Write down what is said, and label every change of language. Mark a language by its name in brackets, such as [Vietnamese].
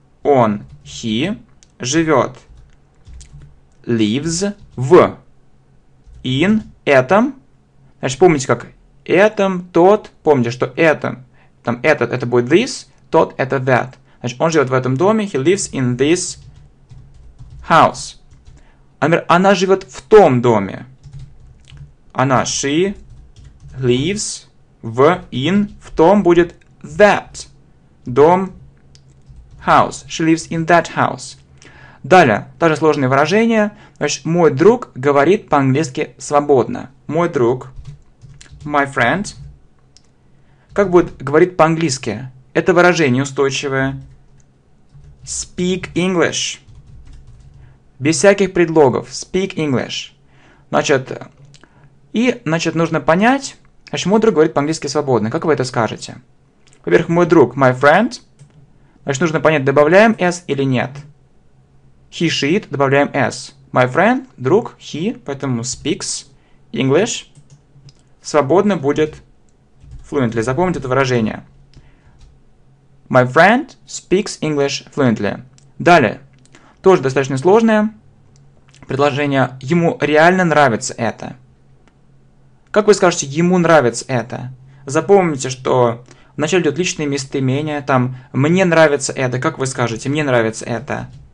[Russian] Он, he, живет, lives, в, in, этом, значит, помните, как этом, тот, помните, что этом, там, этот, это будет this, тот, это that. Значит, он живет в этом доме, [English] he lives in this house. [Russian] Например, она живет в том доме. [English] Она, she lives в, in, в том будет that, дом, house. She lives in that house. [Russian] Далее, тоже сложные выражения. Значит, мой друг говорит по-английски свободно. Мой друг. [English] My friend. [Russian] Как будет говорить по-английски? Это выражение устойчивое. [English] Speak English. [Russian] Без всяких предлогов. [English] Speak English. [Russian] Значит, и, значит, нужно понять, значит, мой друг говорит по-английски свободно. Как вы это скажете? Во-первых, мой друг, my friend. Значит, нужно понять, добавляем s или нет. He, she, добавляем s. My friend, друг, he, поэтому [English] speaks English. [Russian] Свободно будет fluently. Запомните это выражение. [English] My friend speaks English fluently. [Russian] Далее. Тоже достаточно сложное предложение. Ему реально нравится это. Как вы скажете, ему нравится это? Запомните, что вначале идет личное местоимение. Там, мне нравится это. Как вы скажете, мне нравится это?